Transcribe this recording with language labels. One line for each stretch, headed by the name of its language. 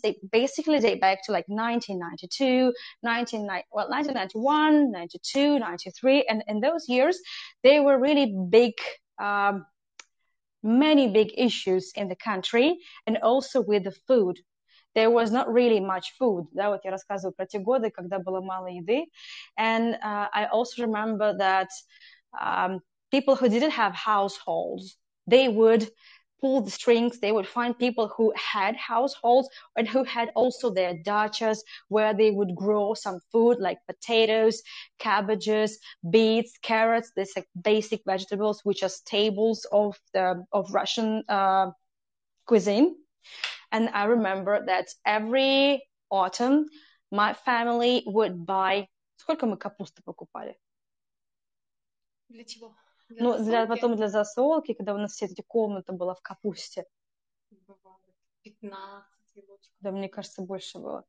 English: They basically date back to like 1991, 92, 93. And in those years, they were really big, many big issues in the country and also with the food. There was not really much food.
Russian: Да, вот я рассказываю про те годы, когда было мало еды.
English: And I also remember that people who didn't have households, they would pull the strings, they would find people who had households and who had also their dachas where they would grow some food like potatoes, cabbages, beets, carrots, these like basic vegetables, which are staples of Russian cuisine. And I remember that every autumn, my family would buy.
Russian: Сколько мы капусты покупали? Для чего? Ну, для потом для засолки, когда у нас вся эта комната была в капусте. 15. Да, мне кажется, больше было.